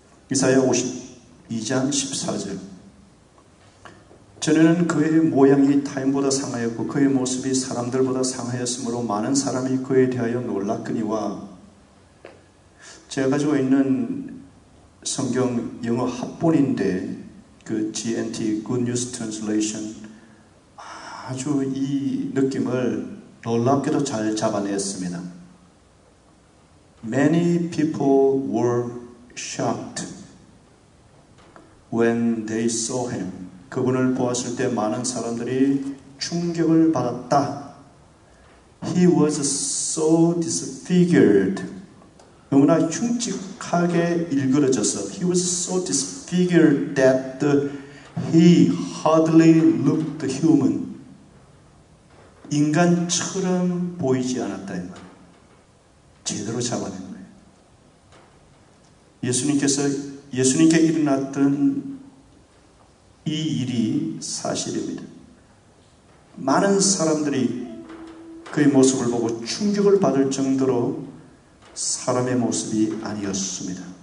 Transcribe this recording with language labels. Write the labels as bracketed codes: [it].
[ko] 이사야 52장 14절 전에는 그의 모양이 타인보다 상하였고 그의 모습이 사람들보다 상하였으므로 많은 사람이 그에 대하여 놀랐거니와 제가 가지고 있는 성경 영어 합본인데 그 GNT Good News Translation 아주 이 느낌을 놀랍게도 잘 잡아냈습니다. [en] Many people were shocked when they saw him. [ko] 그분을 보았을 때 많은 사람들이 충격을 받았다. [en] He was so disfigured. [ko] 너무나 흉측하게 일그러져서 [en] He was so disfigured that he hardly looked human. [ko] 인간처럼 보이지 않았다. 이 말. 제대로 잡아낸 거예요. 예수님께 일어났던 이 일이 사실입니다. 많은 사람들이 그의 모습을 보고 충격을 받을 정도로 사람의 모습이 아니었습니다.